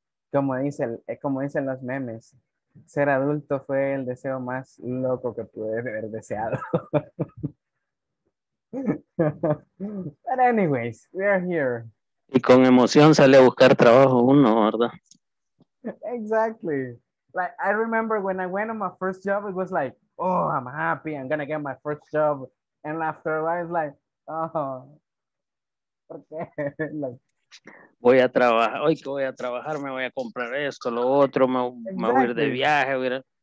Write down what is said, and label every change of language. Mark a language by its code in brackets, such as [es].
[es] Como dicen los memes, ser adulto fue el deseo más loco que pude haber deseado. [en] But anyways, we are here. [es] Y con emoción sale a buscar trabajo uno, ¿verdad? [en] Exactly. Like, I remember when I went on my first job, it was like, oh, I'm happy, I'm gonna get my first job. And after a while, it's like, oh, okay. Like, [es] voy a trabajar, hoy que voy a trabajar, me voy a comprar esto, lo otro, me voy a ir de viaje, voy a ir a...